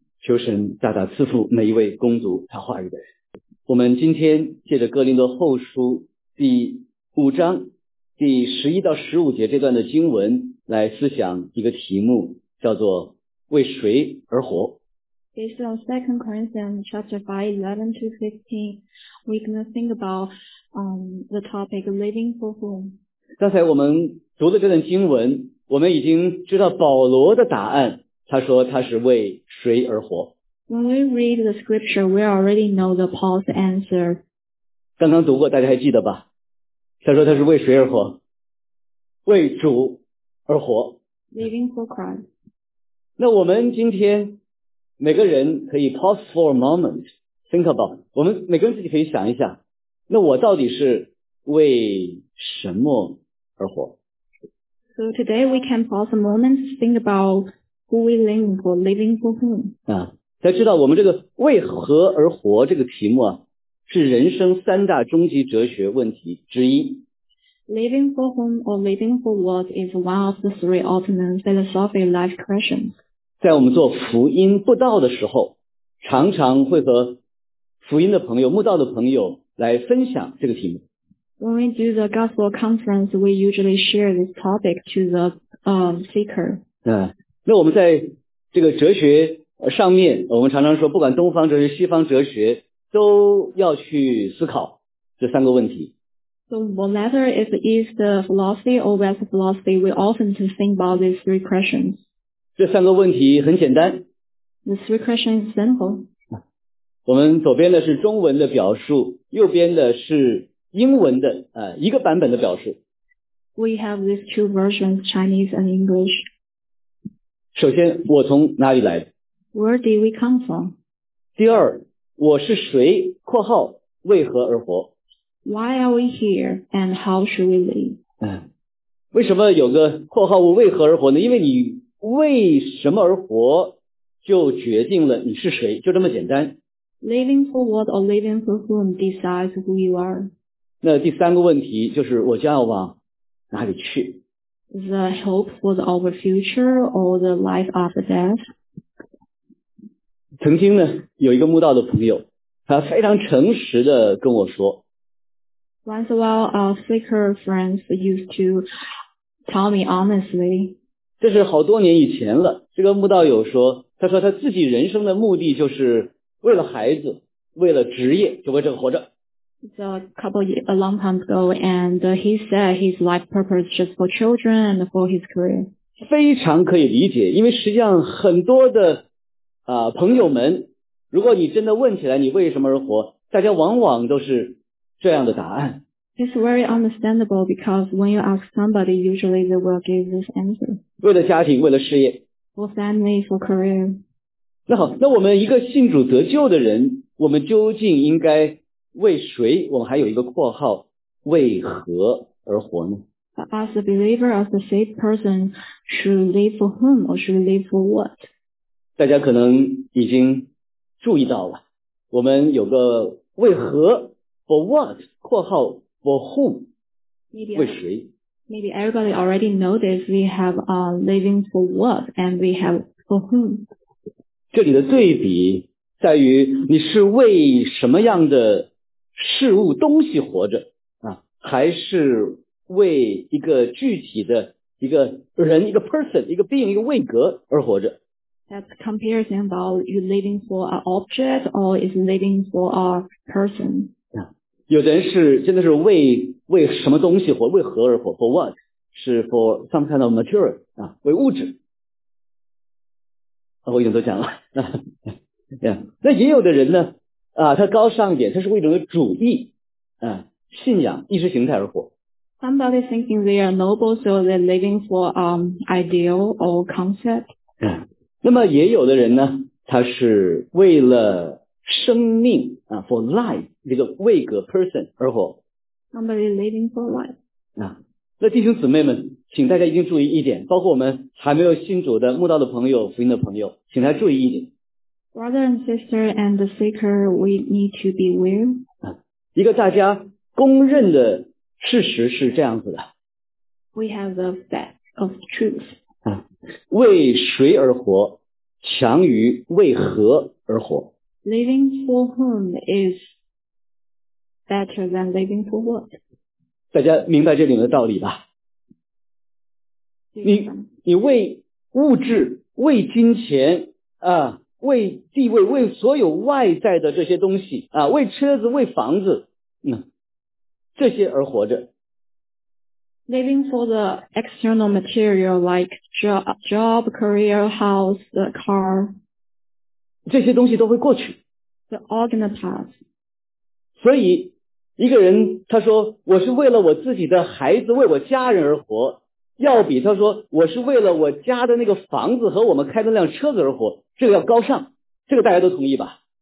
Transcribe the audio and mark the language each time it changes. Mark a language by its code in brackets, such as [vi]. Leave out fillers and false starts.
[zh] 求神大大赐福每一位恭读他话语的人。我们今天借着哥林多后书第五章第十一到十五节这段的经文来思想一个题目，叫做为谁而活。 [en] Based on 2 Corinthians chapter 5:11-15, we can think about the topic living for whom。 [zh] 刚才我们读的这段经文，我们已经知道保罗的答案，他说他是为谁而活。 [en] When we read the scripture, we already know the Paul's answer. [zh] 刚刚读过，大家还记得吧？他说他是为谁而活？为主而活。 [en] Living for Christ. [zh] 那我们今天每个人可以 [en] pause for a moment, think about, [zh] 我们每个人自己可以想一下，那我到底是为什么而活？ [en] So today we can pause a moment to think about who we live for, living for whom. [zh] 才知道我们这个为何而活这个题目啊，是人生三大终极哲学问题之一。 [en] Living for whom or living for what is one of the three ultimate philosophy life questions. [zh] 在我们做福音布道的时候，常常会和福音的朋友、慕道的朋友来分享这个题目。 [en] When we do the gospel conference, we usually share this topic to the seeker. [zh] 那我们在这个哲学上面，我们常常说，不管东方哲学、西方哲学，都要去思考这三个问题。 [en] So whether it's East philosophy or West philosophy, we often to think about these three questions. [zh] 这三个问题很简单。 [en] The three questions are simple. [zh] 我们左边的是中文的表述，右边的是英文的一个版本的表述。 [en] We have these two versions, Chinese and English. [zh] 首先，我从哪里来的？ [en] Where did we come from? [zh] 第二，我是谁？括号为何而活？ [en] Why are we here and how should we live? [zh] 为什么有个括号我为何而活呢？因为你为什么而活，就决定了你是谁，就这么简单。 [en] Living for what or living for whom decides who you are. [zh] 那第三个问题就是我将要往哪里去？ [en] The hope for our future or the life after death. [zh] 曾经呢，有一个慕道的朋友，他非常诚实的跟我说。 [en] Once in a while, our seeker friends used to tell me honestly. [zh] 这是好多年以前了。这个慕道友说，他说他自己人生的目的就是为了孩子，为了职业，就为这个活着。 [en] It's a couple a long time ago, and he said his life purpose just for children and for his career. [zh] 非常可以理解，因为实际上很多的朋友们，如果你真的问起来你为什么而活，大家往往都是这样的答案。 [en] It's very understandable because when you ask somebody, usually they will give this answer. [zh] 为了家庭，为了事业。 [en] For family, for career. [zh] 那好，那我们一个信主得救的人，我们究竟应该为谁？我们还有一个括号，为何而活呢？ [en] As a believer, as a faith person, should live for whom or should live for what? [zh] 大家可能已经注意到了，我们有个为何 , [en] for what, [zh] 括号 [en] for whom, [zh] 为谁。 [en] Maybe everybody already noticed we have a living for what and we have for whom. [zh] 这里的对比在于你是为什么样的事物东西活着、啊、还是为一个具体的一个人一个 person, 一个 being, 一个位格而活着。 [en] That comparison about you living for an object or is living for a person. [zh] 有的人是真的是为什么东西活为何而活 , [en] for what? 是 for some kind of material,、啊、 [zh] 为物质。啊、我已经都讲了。 yeah. 那也有的人呢、啊、他高尚一点他是为什么主义、啊、信仰意识形态而活。 [en] Somebody thinking they are noble, so they're living for ideal or concept. [zh] 那么也有的人呢，他是为了生命啊 ， [en] for life [zh] 这个位格 person 而活。 [en] Somebody living for life. [zh] 那弟兄姊妹们，请大家一定注意一点，包括我们还没有信主的慕道的朋友、福音的朋友，请大家注意一点。 [en] Brother and sister and the seeker, we need to be aware. [zh] 一个大家公认的。事实是这样子的。 [en] We have the fact of truth. [zh] 为谁而活强于为何而活。 [en] Living for whom is better than living for what? [zh] 大家明白这里面的道理吧。你为物质为金钱啊为地位为所有外在的这些东西啊为车子为房子。这些而活着。 [en] Living for the external material, like job, career, house, the car. [zh] 这些东西都会过去。 [en] The organic path. [zh] 所以一个人他说我是为了我自己的孩子为我家人而活要比他说我是为了我家的那个房子和我们开的那辆车子而活这个要高尚这个大家都同意吧。